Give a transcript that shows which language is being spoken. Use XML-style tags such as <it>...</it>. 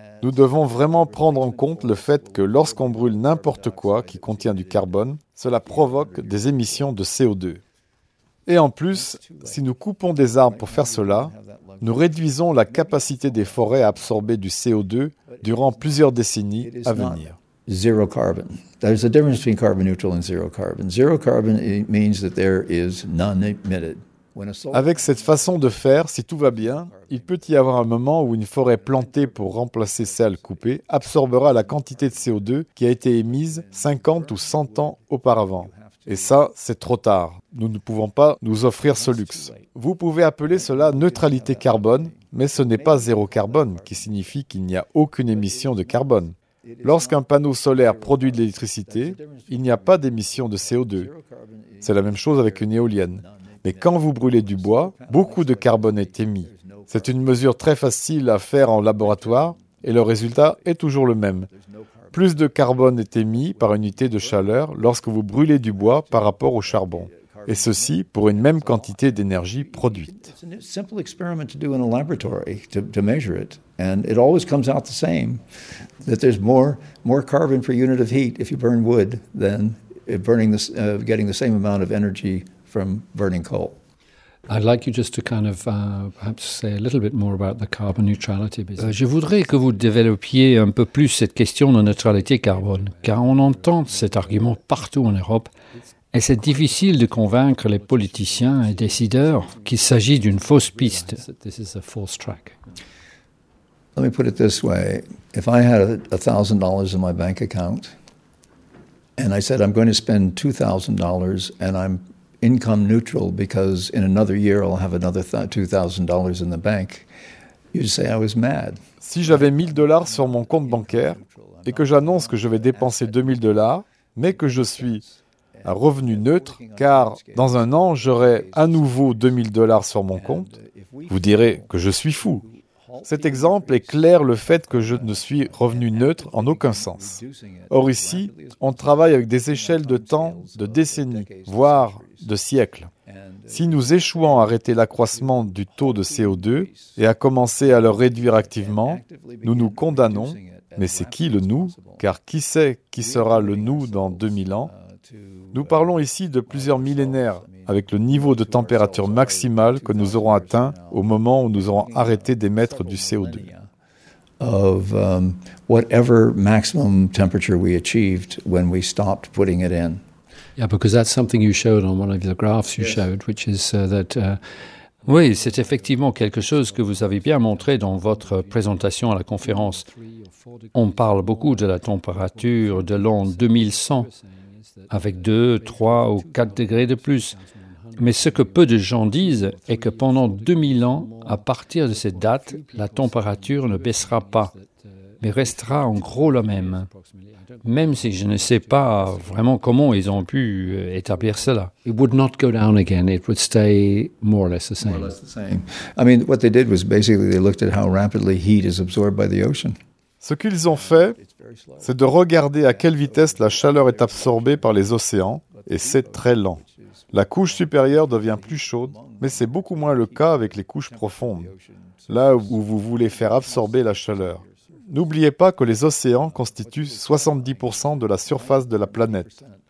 <fr>Nous devons vraiment prendre en compte le fait que lorsqu'on brûle n'importe quoi qui contient du carbone, cela provoque des émissions de CO2. Et en plus, si nous coupons des arbres pour faire cela, nous réduisons la capacité des forêts à absorber du CO2 durant plusieurs décennies à venir.</fr> <en>Zero carbon. There's a difference between carbon neutral and zero carbon. Zero carbon means that there is none emitted.</en> <fr>Avec cette façon de faire, si tout va bien, il peut y avoir un moment où une forêt plantée pour remplacer celle coupée absorbera la quantité de CO2 qui a été émise 50 ou 100 ans auparavant. Et ça, c'est trop tard. Nous ne pouvons pas nous offrir ce luxe. Vous pouvez appeler cela neutralité carbone, mais ce n'est pas zéro carbone, qui signifie qu'il n'y a aucune émission de carbone. Lorsqu'un panneau solaire produit de l'électricité, il n'y a pas d'émission de CO2. C'est la même chose avec une éolienne. Mais quand vous brûlez du bois, beaucoup de carbone est émis. C'est une mesure très facile à faire en laboratoire et le résultat est toujours le même. Plus de carbone est émis par unité de chaleur lorsque vous brûlez du bois par rapport au charbon. Et ceci pour une même quantité d'énergie produite. C'est un simple expériment à faire dans un laboratoire pour mesurer. Et ça sort toujours le même. Il y a plus de carbone par unité de heat si vous brûlez du bois que si vous obtenez le même amount d'énergie.</fr> <en>From burning coal. I'd like you just to kind of perhaps say a little bit more about the carbon neutrality business.</en> <fr>Je voudrais que vous développiez un peu plus cette question de neutralité carbone, car on entend cet argument partout en Europe, et c'est difficile de convaincre les politiciens et décideurs qu'il s'agit d'une fausse piste.</fr> <en>This is a false track. Let me put it this way: if I had $1,000 in my bank account, and I said I'm going to spend $2,000, and I'm income neutral because in another year I'll have another $2,000 in the bank, you'd say I was mad.</en> <fr>Si j'avais $1,000 sur mon compte bancaire et que j'annonce que je vais dépenser $2,000, mais que je suis à revenu neutre, car dans un an j'aurai à nouveau $2,000 sur mon compte, vous direz que je suis fou. Cet exemple éclaire le fait que je ne suis revenu neutre en aucun sens. Or ici, on travaille avec des échelles de temps de décennies, voire de siècles. Si nous échouons à arrêter l'accroissement du taux de CO2 et à commencer à le réduire activement, nous nous condamnons. Mais c'est qui le « nous » Car qui sait qui sera le « nous » dans 2000 ans? Nous parlons ici de plusieurs millénaires, avec le niveau de température maximale que nous aurons atteint au moment où nous aurons arrêté d'émettre du CO2.</fr> <en>Of whatever maximum temperature we achieved when we stopped putting it in. Yeah, because that's something you showed on one of the graphs you showed, which is that.</en> <fr>Oui, c'est effectivement quelque chose que vous avez bien montré dans votre présentation à la conférence. On parle beaucoup de la température de l'an 2100. Avec 2, 3 ou 4 degrés de plus. Mais ce que peu de gens disent est que pendant 2000 ans, à partir de cette date, la température ne baissera pas, mais restera en gros la même. Même si je ne sais pas vraiment comment ils ont pu établir cela.</fr> <en>It would not go down again. It would stay more or less the same. More or less the same. I mean, what they did was basically they looked at how rapidly heat is absorbed by the ocean.</en> <fr>Ce qu'ils ont fait, c'est de regarder à quelle vitesse la chaleur est absorbée par les océans, et c'est très lent. La couche supérieure devient plus chaude, mais c'est beaucoup moins le cas avec les couches profondes, là où vous voulez faire absorber la chaleur. N'oubliez pas que les océans constituent 70% de la surface de la planète.</fr>